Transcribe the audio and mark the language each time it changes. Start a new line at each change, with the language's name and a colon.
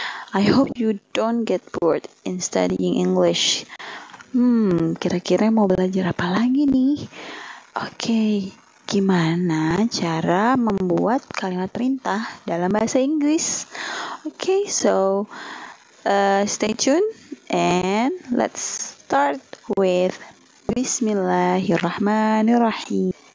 English: I hope you don't get bored in studying English.
Indonesian: Kira-kira mau belajar apa lagi nih? Okay, gimana cara membuat kalimat perintah dalam bahasa Inggris?
English: Okay, so stay tuned and let's start with Bismillahirrahmanirrahim.